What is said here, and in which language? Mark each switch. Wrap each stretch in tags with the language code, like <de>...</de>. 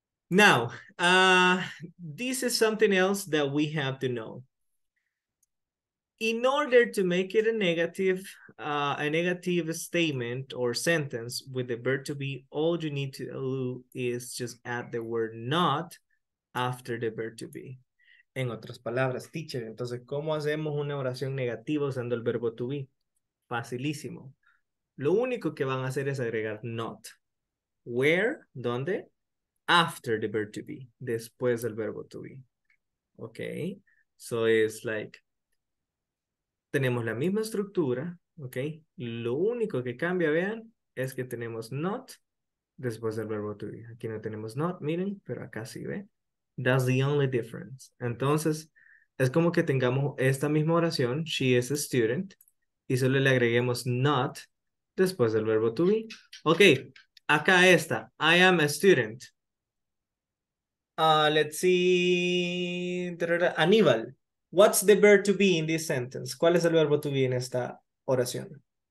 <en>Now, this is something else that we have to know. In order to make it a negative statement or sentence with the verb to be, all you need to do is just add the word not after the verb to be.</en> <es>En otras palabras, teacher, entonces, ¿cómo hacemos una oración negativa usando el verbo to be? Facilísimo. Lo único que van a hacer es agregar not.</es> <en>Where, ¿dónde? After the verb to be.</en> <es>Después del verbo to be. Okay.</es> <en>So it's like,</en> <es>tenemos la misma estructura, okay? Lo único que cambia, vean, es que tenemos not después del verbo to be. Aquí no tenemos not, miren, pero acá sí, ¿ve?</es> <en>That's the only difference.</en> <es>Entonces, es como que tengamos esta misma oración,</es> <en>she is a student,</en> <es>y solo le agreguemos not después del verbo to be.</es> <en>Okay,</en> <es>acá está.</es> <en>I am a student. Let's see. Aníbal, what's the verb to be in this sentence?</en> <es>¿Cuál es el verbo to be en esta oración?</es>